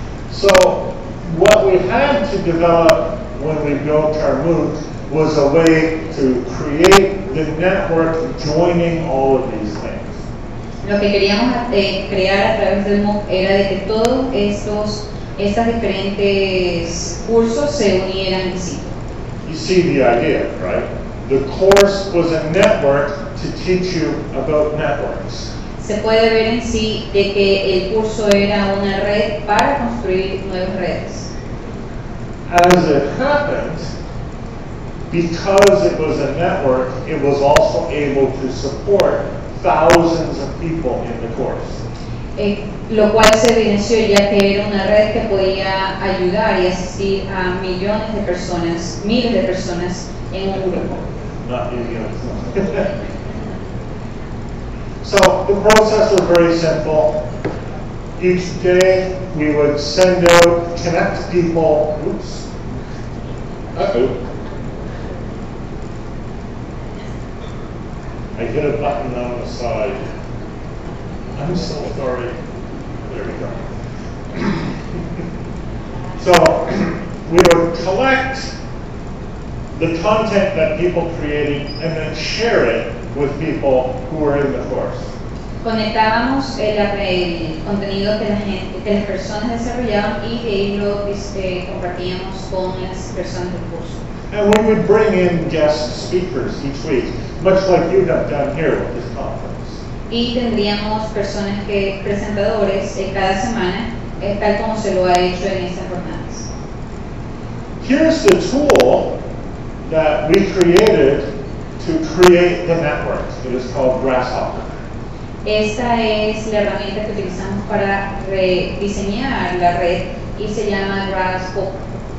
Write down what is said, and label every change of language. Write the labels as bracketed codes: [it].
[en] So, what we had to develop when we built our MOOC was a way to create the network joining all of these things. [es] Lo que queríamos crear a través del MOOC era de que todos estas diferentes cursos se unieran en sí. [en] You see the idea, right? The course was a network to teach you about networks. [es] Se puede ver en sí de que el curso era una red para construir nuevas redes. [en] As it happened, because it was a network, it was also able to support thousands of people in the course. [es] Lo cual se evidenció ya que era una red que podía ayudar y asistir a millones de personas, miles de personas en un grupo. [en] So the process was very simple. Each day we would send out, connect people. Oops. I hit a button on the side. I'm so sorry. There we go. So we would collect the content that people created and then share it with people who were in the course. [es] Conectábamos el contenido que las personas desarrollaban y de ahí lo compartíamos con las personas del curso. [en] And we would bring in guest speakers each week, much like you have done here with this conference. [es] Y tendríamos personas que presentadores cada semana, tal como se lo ha hecho en estas jornadas. [en] Here's the tool that we created to create the network. It is called Grasshopper. [es] Esta es la herramienta que utilizamos para rediseñar la red y se llama Grasshopper.